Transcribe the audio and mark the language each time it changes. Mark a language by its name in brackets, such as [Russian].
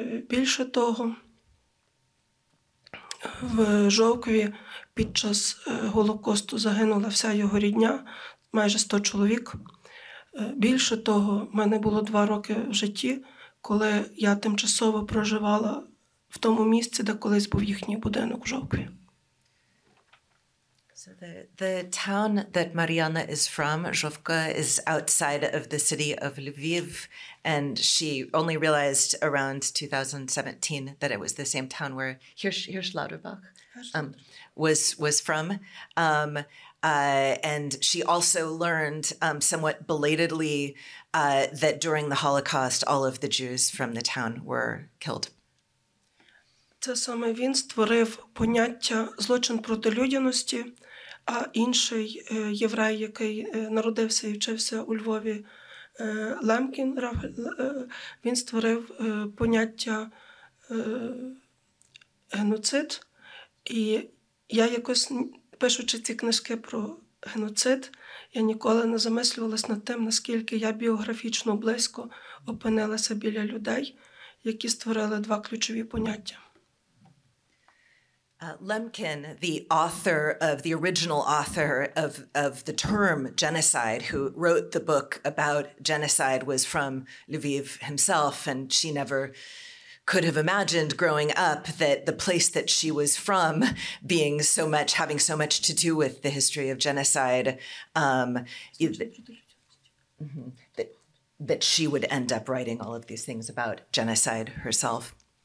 [Ukrainian] Більше того, в Жовкві під час Голокосту загинула вся його рідня, майже 100 чоловік. Більше того, в мене було 2 роки в житті, коли я тимчасово проживала в тому місці, де колись був їхній будинок в Жовкві. [English] So the town that Mariana is from, Zhovka, is outside of the city of Lviv, and she only realized around 2017 that it was the same town where Hirsch Lauterbach was from. And she also learned somewhat belatedly that during the Holocaust, all of the Jews from the town were killed. [Ukrainian] Це саме він створив поняття «злочин проти людяності», а інший єврей, який народився і вчився у Львові, Лемкін, він створив поняття «геноцид». І я якось, пишучи ці книжки про геноцид, я ніколи не замислювалась над тим, наскільки я біографічно близько опинилася біля людей, які створили 2 ключові поняття. [English] Lemkin, the author of the original author of the term genocide, who wrote the book about genocide, was from Lviv himself, and she never could have imagined growing up that the place that she was from, being so much having so much to do with the history of genocide, that she would end up writing all of these things about genocide herself.